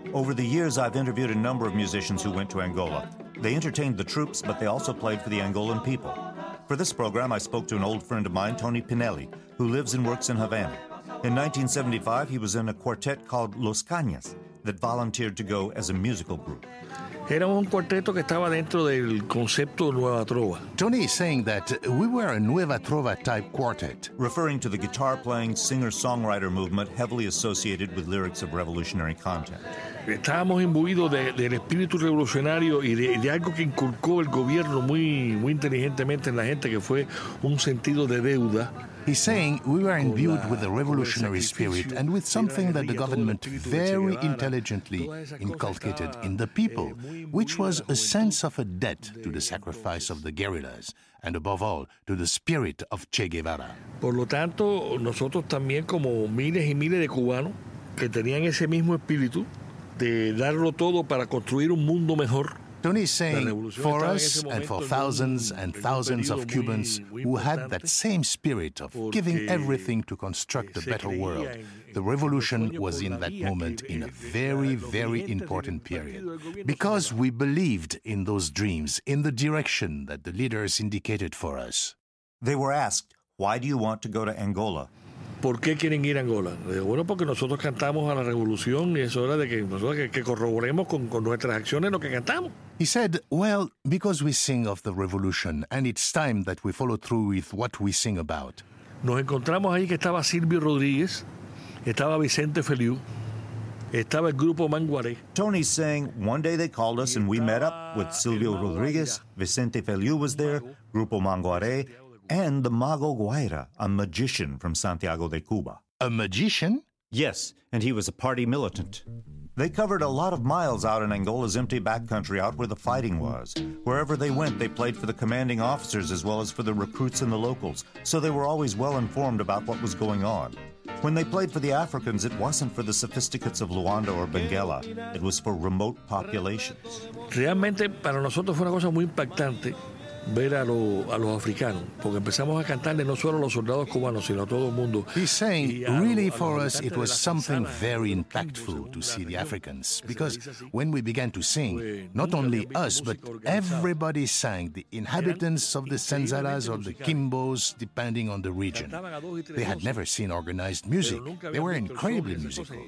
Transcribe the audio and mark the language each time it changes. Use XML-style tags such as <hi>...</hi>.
<en>Over the years, I've interviewed a number of musicians who went to Angola. They entertained the troops, but they also played for the Angolan people. For this program, I spoke to an old friend of mine, Tony Pinelli, who lives and works in Havana. In 1975, he was in a quartet called Los Cañas that volunteered to go as a musical group.</en> <es>Era un cuarteto que estaba dentro del concepto Nueva Trova.</es> <en>Tony is saying that we were a Nueva Trova type quartet, referring to the guitar-playing, singer-songwriter movement heavily associated with lyrics of revolutionary content.</en> <es>Estábamos imbuidos del espíritu revolucionario y de algo que inculcó el gobierno muy inteligentemente en la gente, que fue un sentido de deuda.</es> <en>He's saying we were imbued with a revolutionary spirit and with something that the government very intelligently inculcated in the people, which was a sense of a debt to the sacrifice of the guerrillas and, above all, to the spirit of Che Guevara.</en> <es>Por lo tanto, nosotros también, como miles y miles de cubanos que tenían ese mismo espíritu de darlo todo para construir un mundo mejor.</es> <en>Tony is saying, for us and for thousands and thousands of Cubans who had that same spirit of giving everything to construct a better world, the revolution was in that moment in a very, very important period. Because we believed in those dreams, in the direction that the leaders indicated for us. They were asked, why do you want to go to Angola?</en> <es>¿Por qué quieren ir a Angola? Bueno, porque nosotros cantamos a la revolución y es hora de que nosotros que corroboremos con nuestras acciones lo que cantamos.</es> <en>He said, well, because we sing of the revolution and it's time that we follow through with what we sing about.</en> <es>Nos encontramos ahí que estaba Silvio Rodríguez, estaba Vicente Feliu, estaba el grupo Manguaré.</es> <en>Tony's saying, one day they called us and we met up with Silvio Rodríguez, Vicente Feliu was there, grupo Manguaré, and the Mago Guaira, a magician from Santiago de Cuba. A magician? Yes, and he was a party militant. They covered a lot of miles out in Angola's empty backcountry, out where the fighting was. Wherever they went, they played for the commanding officers as well as for the recruits and the locals, so they were always well informed about what was going on. When they played for the Africans, it wasn't for the sophisticates of Luanda or Benguela. It was for remote populations.</en> <es>Realmente, para nosotros fue una cosa muy impactante. ver a los africanos, porque empezamos a cantarle no solo a los soldados cubanos, sino a todo el mundo.</es> <en>He's saying, really for us, it was something very impactful to see the Africans, because when we began to sing, not only us, but everybody sang, the inhabitants of the Senzalas or the Kimbos, depending on the region. They had never seen organized music. They were incredibly musical.</en>